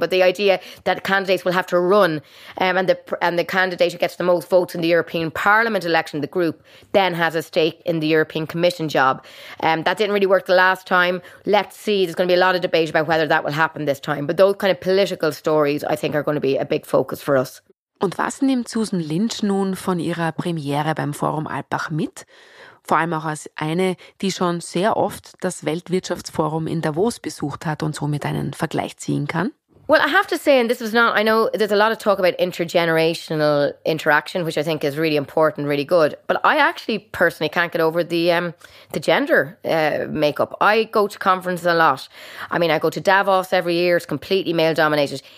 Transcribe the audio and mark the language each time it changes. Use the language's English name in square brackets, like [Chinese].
[English] But the idea that candidates will have to run and the candidate who gets the most votes in the European Parliament election, the group, then has a stake in the European Commission job. That didn't really work the last time. Let's see. There's going to be a lot of debate about whether that will happen this time. But those kind of political stories, I think, are going to be a big focus for us. [German] Und was nimmt Susan Lynch nun von ihrer Premiere beim Forum Alpbach mit? Vor allem auch als eine, die schon sehr oft das Weltwirtschaftsforum in Davos besucht hat und somit einen Vergleich ziehen kann. [English] Well, I have to say, and this is not, I know there's a lot of talk about intergenerational interaction, which I think is really important, really good. But I actually personally can't get over the gender makeup. I go to conferences a lot. I mean, I go to Davos every year. It's completely male dominated.